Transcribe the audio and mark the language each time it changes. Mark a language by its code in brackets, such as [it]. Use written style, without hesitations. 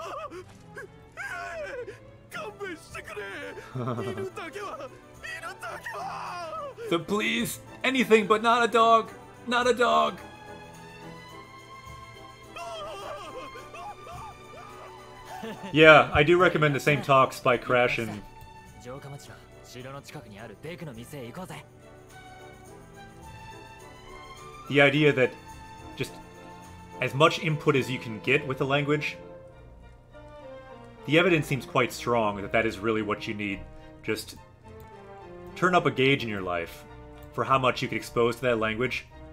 [ja] 勘弁してくれ。犬だけは、犬だけは。 [en] So please, anything but not a dog, not a dog. Yeah, I do recommend the same talks by Crash and. [ja] 城下町の城の近くにあるデクの店へ行こうぜ。 [en] The idea that just as much input as you can get with the language, the evidence seems quite strong that that is really what you need. Just turn up a gauge in your life for how much you can expose to that language.